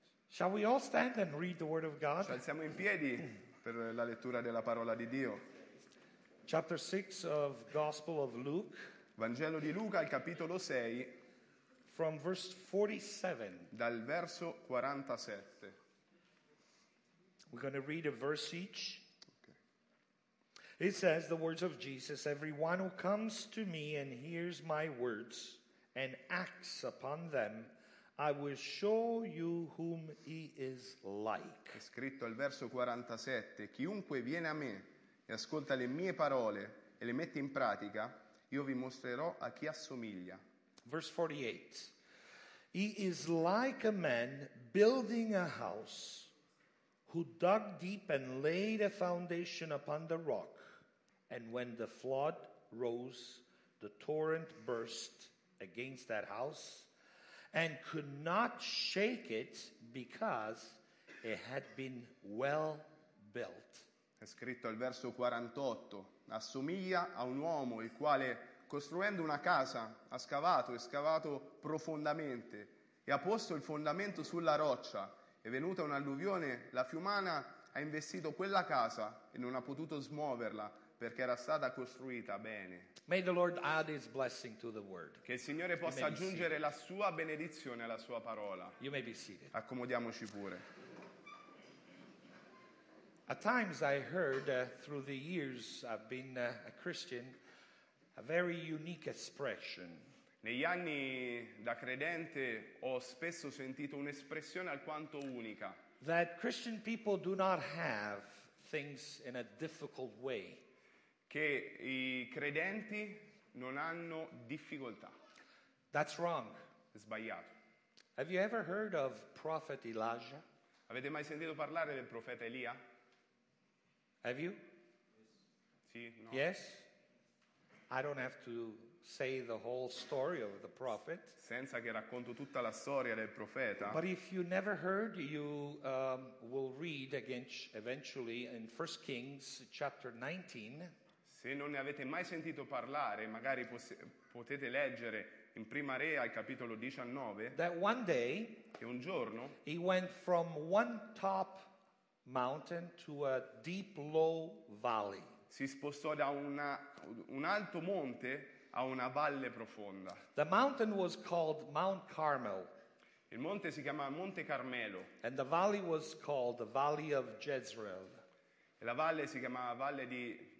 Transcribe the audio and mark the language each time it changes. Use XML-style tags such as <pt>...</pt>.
<en>Shall we all stand and read the word of God?</en> <it>Ci alziamo in piedi per la lettura della parola di Dio.</it> <en>Chapter 6 of Gospel of Luke.</en> <it>Vangelo di Luca, il capitolo 6.</it> <en>From verse 47.</en> <it>Dal verso 47.</it> <en>We're going to read a verse each. It says, the words of Jesus, everyone who comes to me and hears my words and acts upon them, I will show you whom he is like.</en> <it>È scritto al verso 47, chiunque viene a me e ascolta le mie parole e le mette in pratica, io vi mostrerò a chi assomiglia.</it> <en>Verse 48, he is like a man building a house who dug deep and laid a foundation upon the rock. And when the flood rose, the torrent burst against that house and could not shake it because it had been well built.</en> <it>È scritto al verso 48. Assomiglia a un uomo il quale, costruendo una casa, ha scavato e scavato profondamente e ha posto il fondamento sulla roccia. È venuta un'alluvione, la fiumana ha investito quella casa e non ha potuto smuoverla. Perché era stata costruita bene.</it> <en>May the Lord add his blessing to the word.</en> <it>Che il Signore possa aggiungere la sua benedizione alla sua parola.</it> <en>You may be seated.</en> <it>Accomodiamoci pure.</it> <en>At times I heard through the years I've been a Christian a very unique expression.</en> <it>Negli anni da credente ho spesso sentito un'espressione alquanto unica.</it> <en>That Christian people do not have things in a difficult way.</en> <it>Che i credenti non hanno difficoltà.</it> <en>That's wrong.</en> <it>È sbagliato.</it> <en>Have you ever heard of prophet Elijah?</en> <it>Avete mai sentito parlare del profeta Elia?</it> <en>Have you?</en> <it>Sì, no.</it> <en>Yes. I don't have to say the whole story of the prophet.</en> <it>Senza che racconto tutta la storia del profeta.</it> <en>But if you never heard, you will read again eventually in 1 Kings chapter 19.</en> <it>Se non ne avete mai sentito parlare, magari potete leggere in Prima Re al capitolo 19.</it> <en>That one day,</en> <it>che un giorno,</it> <en>he went from one top mountain to a deep low valley.</en> <it>Si spostò da un alto monte a una valle profonda.</it> <en>The mountain was called Mount Carmel.</en> <it>Il monte si chiama Monte Carmelo.</it> <en>And the valley was called the Valley of Jezreel.</en> <it>E la valle si chiamava Valle di</it>